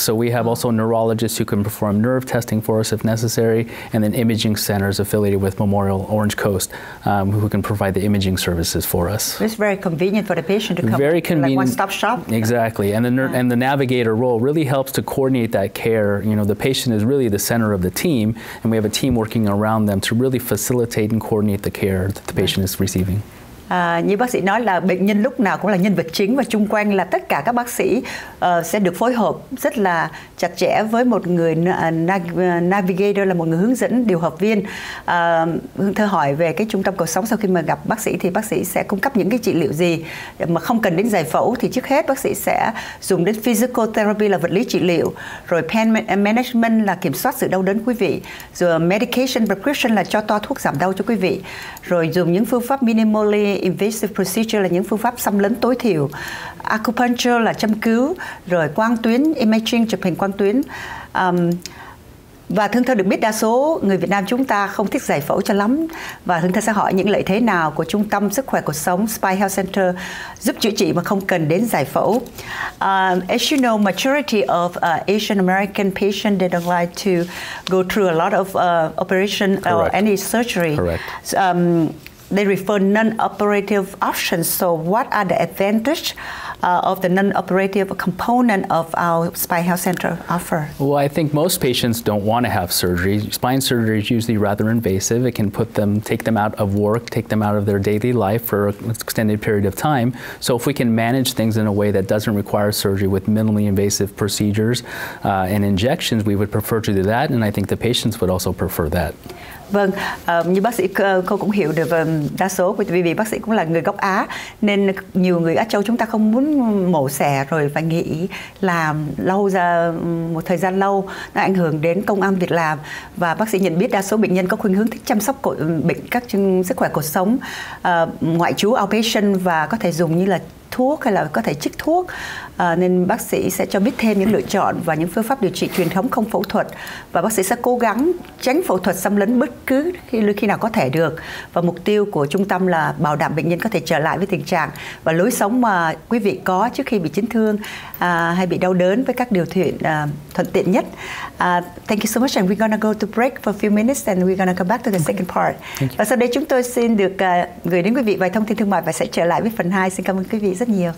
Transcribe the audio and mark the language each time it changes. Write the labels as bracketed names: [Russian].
[English] So we have also neurologists who can perform nerve testing for us if necessary, and then imaging centers affiliated with Memorial Orange Coast who can provide the imaging services for us. It's very convenient for the patient to come. Very to, convenient. Like one-stop shop. Exactly. And the and the navigator role really helps to coordinate that care. You know, the patient is really the center of the team, and we have a team working around them to really facilitate and coordinate the care that the patient is receiving. [Vietnamese] Như bác sĩ nói là bệnh nhân lúc nào cũng là nhân vật chính, và chung quanh là tất cả các bác sĩ sẽ được phối hợp rất là chặt chẽ với một người navigator, là một người hướng dẫn điều hợp viên. Hương thơ hỏi về cái trung tâm cuộc sống sau khi mà gặp bác sĩ thì bác sĩ sẽ cung cấp những cái trị liệu gì mà không cần đến giải phẫu, thì trước hết bác sĩ sẽ dùng đến physical therapy là vật lý trị liệu, rồi pain management là kiểm soát sự đau đớn quý vị, rồi medication prescription là cho toa thuốc giảm đau cho quý vị, rồi dùng những phương pháp minimally invasive procedure là những phương pháp xâm lấn tối thiểu, acupuncture là châm cứu, rồi quang tuyến imaging chụp hình quang tuyến. Và thường theo được biết đa số người Việt Nam chúng ta không thích giải phẫu cho lắm, và thường theo sẽ hỏi những lợi thế nào của trung tâm sức khỏe cuộc sống Spine Health Center giúp chữa trị mà không cần đến giải phẫu. [English] As you know, majority of Asian American patients, they don't like to go through a lot of operation. Correct. Or any surgery. Correct. They refer non-operative options. So what are the advantages of the non-operative component of our Spine Health Center offer? Well, I think most patients don't want to have surgery. Spine surgery is usually rather invasive. It can put them, take them out of work, take them out of their daily life for an extended period of time. So if we can manage things in a way that doesn't require surgery with minimally invasive procedures and injections, we would prefer to do that. And I think the patients would also prefer that. [Vietnamese] Vâng, như bác sĩ cô cũng hiểu được, đa số vì bác sĩ cũng là người gốc Á nên nhiều người Á Châu chúng ta không muốn mổ xẻ rồi phải nghỉ làm lâu ra một thời gian lâu, nó ảnh hưởng đến công ăn việc làm. Và bác sĩ nhận biết đa số bệnh nhân có khuynh hướng thích chăm sóc bệnh các sức khỏe cuộc sống, ngoại trú outpatient, và có thể dùng như là thuốc hay là có thể chích thuốc, nên bác sĩ sẽ cho biết thêm những lựa chọn và những phương pháp điều trị truyền thống không phẫu thuật, và bác sĩ sẽ cố gắng tránh phẫu thuật xâm lấn bất cứ khi nào có thể được. Và mục tiêu của trung tâm là bảo đảm bệnh nhân có thể trở lại với tình trạng và lối sống mà quý vị có trước khi bị chấn thương hay bị đau đớn với các điều kiện thuận tiện nhất. [English] Thank you so much, and we're gonna go to break for a few minutes and we're gonna come back to the second part. [Vietnamese] Và sau đây chúng tôi xin được gửi đến quý vị vài thông tin thương mại và sẽ trở lại với phần 2. Xin cảm ơn quý vị rất nhiều.